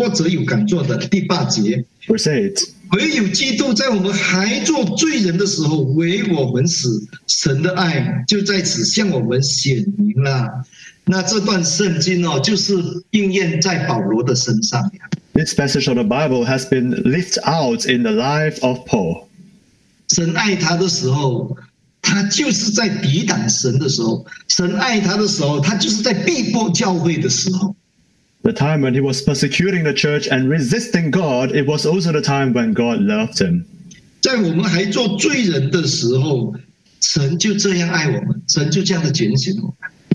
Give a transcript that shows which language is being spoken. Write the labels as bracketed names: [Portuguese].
[Chinese] 因为我们还软弱的时候，基督就按所定的日期为罪人死；为义人死是少有的，为忍人死或者有敢做的。第八节。 [English] Verse 8. [Chinese] 唯有基督在我们还做罪人的时候为我们死，神的爱就在此向我们显明了。那这段圣经哦，就是应验在保罗的身上呀。 [English] This passage of the Bible has been lived out in the life of Paul. [Chinese] 神爱他的时候，他就是在抵挡神的时候；神爱他的时候，他就是在逼迫教会的时候。 [English] The time when he was persecuting the church and resisting God, it was also the time when God loved him. [Chinese] 在我们还做罪人的时候，神就这样爱我们，神就这样的拣选我们。